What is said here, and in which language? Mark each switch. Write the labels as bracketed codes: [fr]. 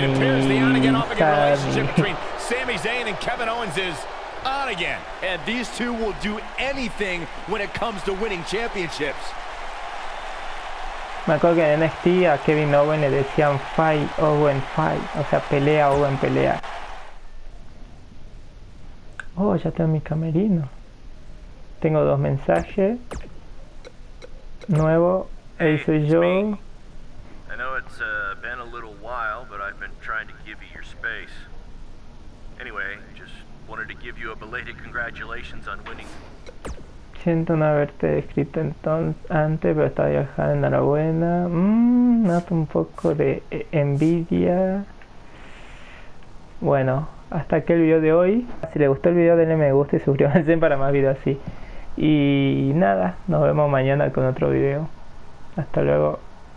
[en] it appears the on-again, off-again relationship between Sami Zayn and Kevin Owens is on again, and these two will do anything when it comes to winning championships. [es] Me acuerdo que en NXT a Kevin Owens le decían [en] fight, Owen fight, [es] o sea, pelea, Owen pelea. Oh, ya tengo mi camerino. Tengo dos mensajes. Nuevo, [en] hey, [es] ahí soy yo. [en] I know it's been a little while, but I've been trying to give you your space. Anyway, wanted to give you a belated congratulations on winning. [es] Siento no haberte escrito entonces antes, pero estaba viajando, enhorabuena. Nato un poco de envidia. Bueno, hasta aquí el video de hoy. Si le gustó el video, denle me gusta y suscríbanse para más videos así. Y nada, nos vemos mañana con otro video. Hasta luego.